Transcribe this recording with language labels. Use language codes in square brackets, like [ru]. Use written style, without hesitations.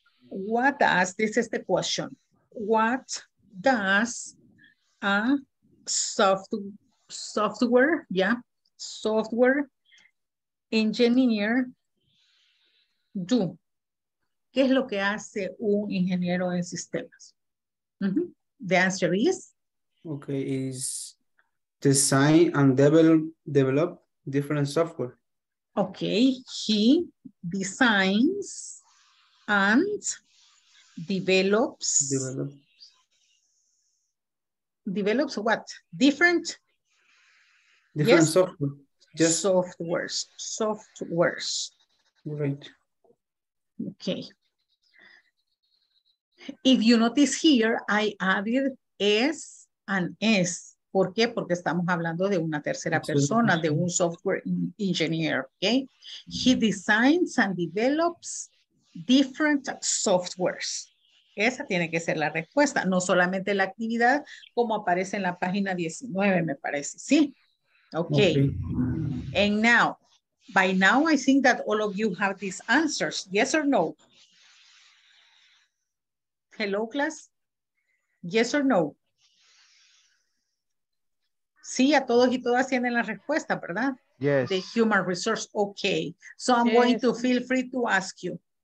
[en] What does, this is the question, what does a software engineer do? [es] ¿Qué es lo que hace un ingeniero en sistemas? [en] The answer is? Okay, is design and develop different software. Okay, he designs and develops what? Different software. Just softwares. Right. Okay. If you notice here, I added S and S. [es] ¿Por qué? Porque estamos hablando de una tercera persona, de un software engineer, okay? [en] He designs and develops different softwares. [es] Esa tiene que ser la respuesta, no solamente la actividad, como aparece en la página 19, me parece, ¿sí? [en] Okay. And now, by now I think that all of you have these answers, yes or no? Hello, class? Yes or no? [es] Sí, a todos y todas tienen la respuesta, ¿verdad? [en] Yes. The human resource, okay. So I'm going to feel free to ask you.